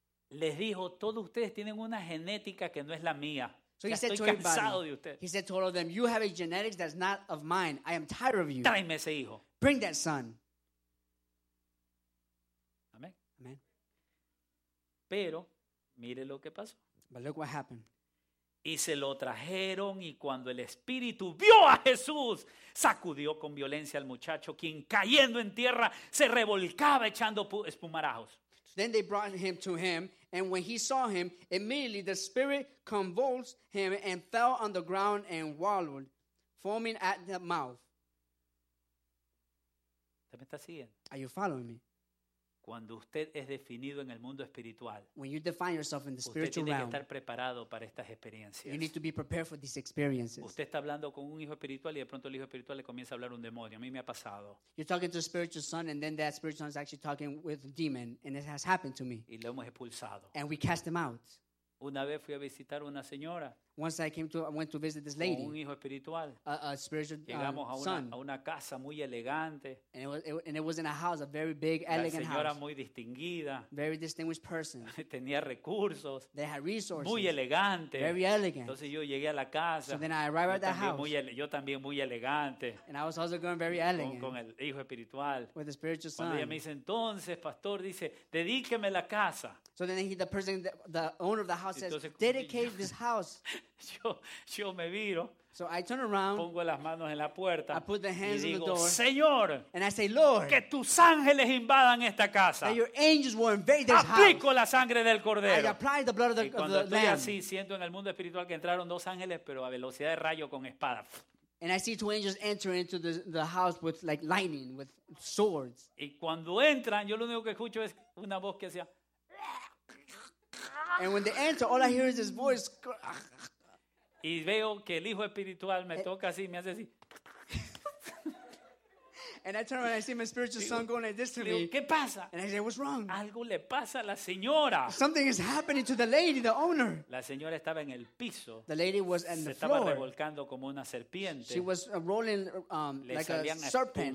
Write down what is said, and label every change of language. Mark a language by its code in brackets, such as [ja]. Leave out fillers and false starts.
[es] Les dijo, todos ustedes tienen una genética que no es la mía. [en] So [es] ya estoy cansado de ustedes. [en] He said to all of them, you have a genetics that's not of mine. I am tired of you. [es] Tráeme ese hijo. [en] Bring that son. [es] Amén. [en] Amen. [es] Pero, mire lo que pasó. [en] But look what happened. [es] Y se lo trajeron y cuando el Espíritu vio a Jesús, sacudió con violencia al muchacho, quien cayendo en tierra se revolcaba echando espumarajos. [en] Then they brought him to him, and when he saw him, immediately the Spirit convulsed him and fell on the ground and wallowed, foaming at the mouth. [es] ¿Me estás siguiendo? [en] Are you following me? [es] Cuando usted es definido en el mundo espiritual, [en] when you define yourself in the spiritual [es] usted tiene [en] realm, [es] que estar preparado para estas experiencias. [en] You need to be prepared for these experiences. [es] Usted está hablando con un hijo espiritual y de pronto el hijo espiritual le comienza a hablar un demonio. A mí me ha pasado. [en] You're talking to a spiritual son and then that spiritual son is actually talking with a demon and it has happened to me. [es] Y lo hemos expulsado. [en] And we cast him out. [es] Una vez fui a visitar una señora. [en] Once I went to visit this lady. [es] Un hijo espiritual. [en] A spiritual son. [es] Llegamos a una casa muy elegante. [en] And it was in a house, a very big, elegant house. [es] La señora muy distinguida. [en] Very distinguished person. [es] Tenía recursos. [en] They had resources. [es] Muy elegante. [en] Very elegant. [es] Entonces yo llegué a la casa. [en] So then I arrived at the house. [es] Yo también muy elegante. [en] And I was also going very elegant. [es] Con el hijo espiritual. [en] With the spiritual son. [es] Cuando ella me dice, entonces, pastor, dice, dedíqueme la casa. [en] So then the owner of the house says, [es] entonces, [en] dedicate this house. [es] Yo me viro. [en] So I turn around. [es] Pongo las manos en la puerta. [en] I put the hands [es] y digo, [en] on the door. [es] Señor. [en] And I say, Lord. [es] Que tus ángeles invadan esta casa. [en] That your angels will invade this [es] aplico [en] house. [es] Aplico la sangre del cordero. [en] I apply the blood of the lamb. [es] Y cuando estoy [en] lamb. [es] Así, siento en el mundo espiritual que entraron dos ángeles, pero a velocidad de rayo con espada. [en] And I see two angels enter into the house with like lightning, with swords. [es] Y cuando entran, yo lo único que escucho es una voz que decía, [en] and when they enter, all I hear is this voice. [es] Y veo que el hijo espiritual me toca así, me hace así. [en] And I turn around and I see my spiritual son going like this to me. [es] ¿Qué pasa? [en] And I say, what's wrong? [es] Algo le pasa a la señora. [en] Something is happening to the lady, the owner. [es] La señora estaba en el piso. [en] The lady was in the [es] floor. Se estaba revolcando como una serpiente. [en] She was rolling like a serpent.